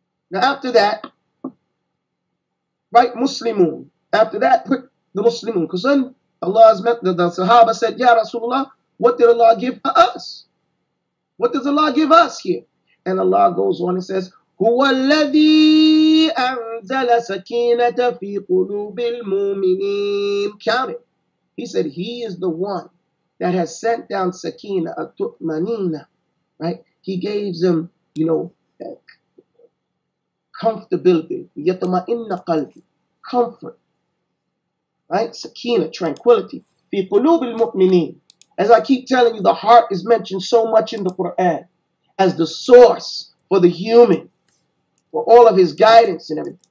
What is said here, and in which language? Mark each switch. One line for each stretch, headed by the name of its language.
English: Now after that, write Muslimun. After that, put the Muslimun. Because then Allah's message, the Sahaba said, Ya Rasulullah, what did Allah give us? What does Allah give us here? And Allah goes on and says,
Arabic: هُوَ الَّذِي أَنزَلَ سَكِينَةَ فِي قُلُوبِ الْمُؤْمِنِينَ.
English: Count it. He said, he is the one that has sent down Sakina, Atutmanina, right? He gave them, you know, comfortability, yatma'inna qalbi, comfort, right? Sakina, tranquility. Fi qulubil mu'minin. As I keep telling you, the heart is mentioned so much in the Quran as the source for the human, for all of his guidance and everything.